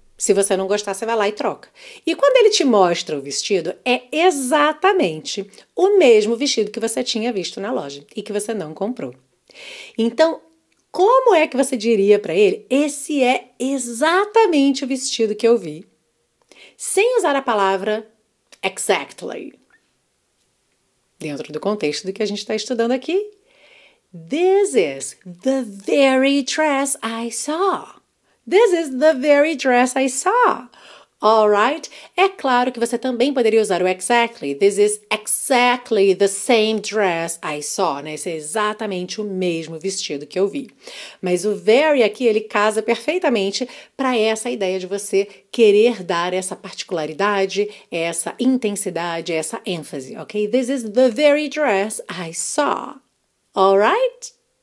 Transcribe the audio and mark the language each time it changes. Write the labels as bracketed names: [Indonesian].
[Portuguese] Se você não gostar, você vai lá e troca. E quando ele te mostra o vestido, é exatamente o mesmo vestido que você tinha visto na loja e que você não comprou. Então, como é que você diria para ele: Esse é exatamente o vestido que eu vi, sem usar a palavra exactly? Dentro do contexto do que a gente está estudando aqui. [English] This is the very dress I saw. This is the very dress I saw. All right? [Portuguese] É claro que você também poderia usar o exactly. [English] This is exactly the same dress I saw. [Portuguese] Né? Esse é exatamente o mesmo vestido que eu vi. Mas o very aqui, ele casa perfeitamente para essa ideia de você querer dar essa particularidade, essa intensidade, essa ênfase, ok? [English] This is the very dress I saw. All right?